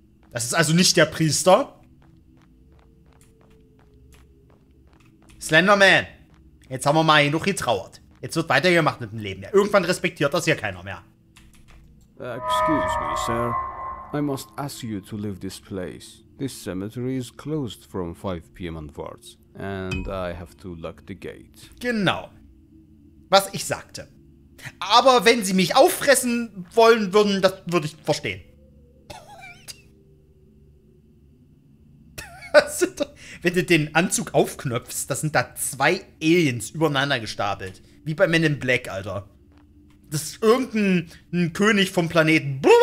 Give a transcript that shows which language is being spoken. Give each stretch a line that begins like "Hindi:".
German: Das ist also nicht der Priester. Slenderman! Jetzt haben wir mal genug getrauert. Jetzt wird weitergemacht mit dem Leben. Ja, irgendwann respektiert das hier keiner mehr.
English: Excuse me, sir. I must ask you to leave this place. This cemetery is closed from 5 PM onwards, and I have to lock the gate.
German: Genau. Was ich sagte. Aber wenn sie mich auffressen wollen würden, das würde ich verstehen. Wenn du den Anzug aufknöpfst, das sind da zwei Aliens übereinander gestapelt. Wie bei Men in Black, Alter. Das ist irgendein König vom Planeten.